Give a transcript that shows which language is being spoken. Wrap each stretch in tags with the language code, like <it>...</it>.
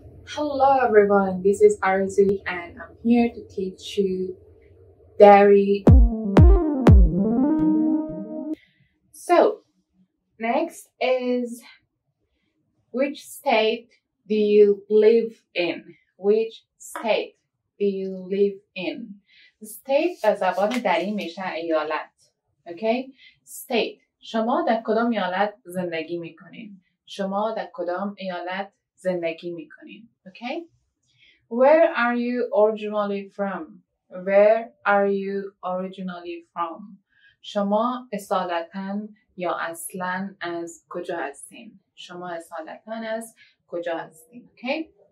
<en>Hello everyone, this is Arezu and I'm here to teach you Dari. So, next is which state do you live in? Which state do you live in? The state</en> <fa>در زبان دری میشه ایالت.</fa> <en>Okay? State.</en> <fa>شما در کدام ایالت زندگی میکنین؟ شما در کدام ایالت زندگی میکنین؟ Okay?</fa> <en>Where are you originally from? Where are you originally from?</en> <fa>شما اصالتاً یا اصلاً از کجا هستین؟ شما اصالتاً از کجا هستین؟ Okay?</fa>